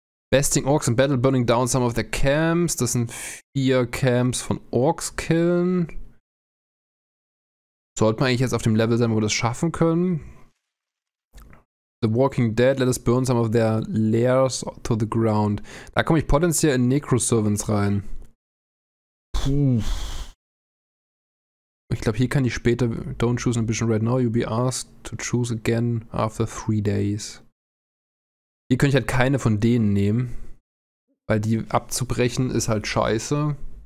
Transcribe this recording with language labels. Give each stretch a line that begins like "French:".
English: Besting Orks in Battle, burning down some of their camps.
German: Das sind 4 Camps von Orks killen. Sollte man eigentlich jetzt auf dem Level sein, wo wir das schaffen können?
English: The Walking Dead, let us burn some of their lairs to the ground.
German: Da komme ich potenziell in Necro-Servants rein. Puh. Ich glaube, hier kann ich später...
English: Don't choose an ambition right now, you'll be asked to choose again after 3 days.
German: Hier könnte ich halt keine von denen nehmen. Weil die abzubrechen ist halt scheiße.